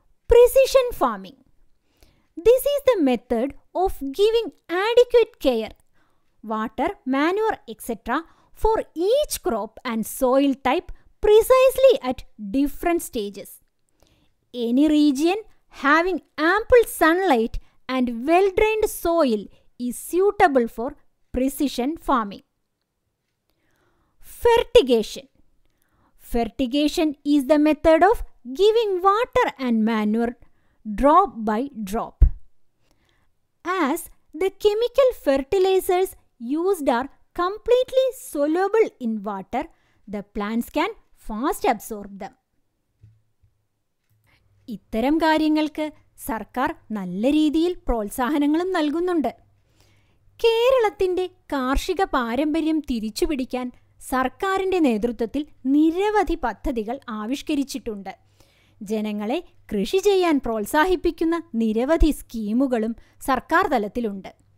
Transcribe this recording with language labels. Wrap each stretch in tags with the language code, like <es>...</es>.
<en>Precision farming. This is the method of giving adequate care, water, manure etcetera for each crop and soil type precisely at different stages. Any region having ample sunlight and well drained soil is suitable for precision farming. Fertigation. Fertigation is the method of giving water and manure drop by drop. As the chemical fertilizers used are completely soluble in water, the plants can fast absorb them.</en> <ml>ഇത്തരം കാര്യങ്ങൾക്ക് സർക്കാർ നല്ല രീതിയിൽ പ്രോത്സാഹനങ്ങളും നൽകുന്നുണ്ട്. കേരളത്തിൻ്റെ കാർഷിക പാരമ്പര്യം തിരിച്ചുപിടിക്കാൻ സർക്കാരിൻ്റെ നേതൃത്വത്തിൽ നിരവധി പദ്ധതികൾ ആവിഷ്കരിച്ചിട്ടുണ്ട്. ജനങ്ങളെ കൃഷി ചെയ്യാൻ പ്രോത്സാഹിപ്പിക്കുന്ന നിരവധി സ്കീമുകളും സർക്കാർ തലത്തിലുണ്ട്.</ml>